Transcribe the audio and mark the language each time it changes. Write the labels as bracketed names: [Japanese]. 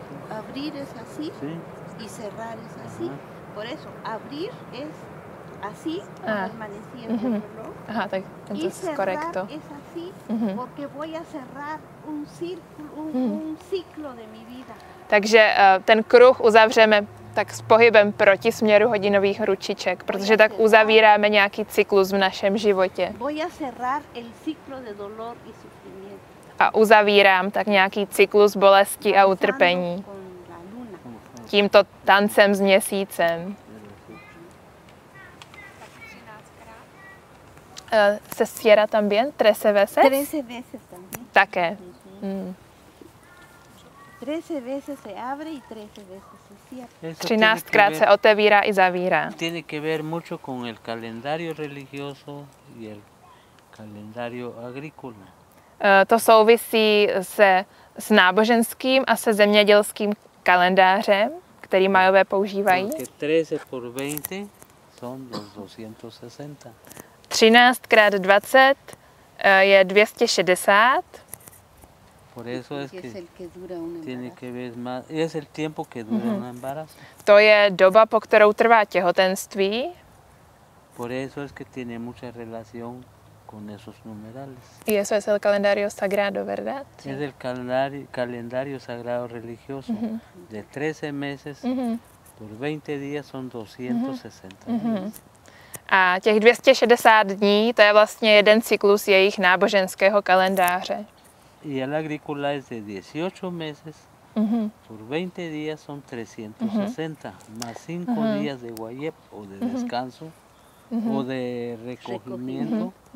[Spanish] Abrir es así y cerrar es así. Por eso, abrir es así, permaneciendo. Ajá, entonces es correcto. Es así, porque voy a cerrar un círculo, un ciclo de mi vida. [Czech] Takže ten kruh uzavřeme tak s pohybem proti směru hodinových ručiček, protože tak uzavíráme nějaký cyklus v našem životě. [Spanish] Voy a cerrar el ciclo de dolor y sufrimiento. [Czech] A uzavírám tak nějaký cyklus bolesti a utrpení. Tímto tancem s měsícem. [Spanish] Se cierra también 13 veces. 13 veces también. [Czech] Také. [Spanish] 13 veces se abre y 13 veces se cierra. [Czech] 13krát se otevírá i zavírá. [Spanish] Tiene que ver mucho con el calendario religioso y el calendario agrícola. [Czech] To souvisí s náboženským a se zemědělským kalendářem, který Majové používají. [Spanish] Porque 13 por 20 son los 260. [Czech] 13 krát 20 je 260. [Spanish] Por eso es que tiene que ver más, es el tiempo que dura un embarazo. [Czech] To je doba, po kterou trvá těhotenství. [Spanish] Por eso es que tiene mucha relación con esos numerales. Y eso es el calendario sagrado, ¿verdad? Sí. Es el calendario sagrado religioso. De 13 meses por 20 días son 260. [Czech] A těch 260 dní, to je vlastně jeden cyklus jejich náboženského kalendáře. [Spanish] Y el agrícola es de 18 meses. Por 20 días son 360 más 5 días de guayep o de descanso o de recogimiento.